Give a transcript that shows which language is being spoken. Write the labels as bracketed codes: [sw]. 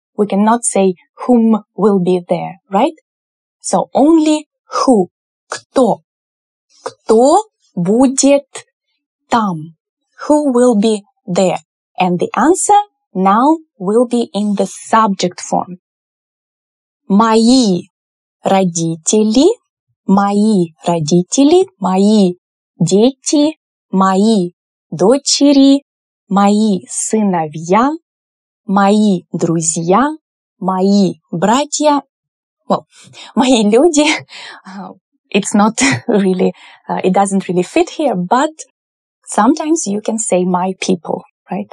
[en] We cannot say whom will be there, right? So only who, [ru] кто. Кто будет там? [en] Who will be there? And the answer now will be in the subject form. [ru] Мои родители, мои родители, мои дети, мои дочери, мои сыновья, мои друзья, мои братья, мои люди, [en] it's not really, it doesn't really fit here, but sometimes you can say my people, right?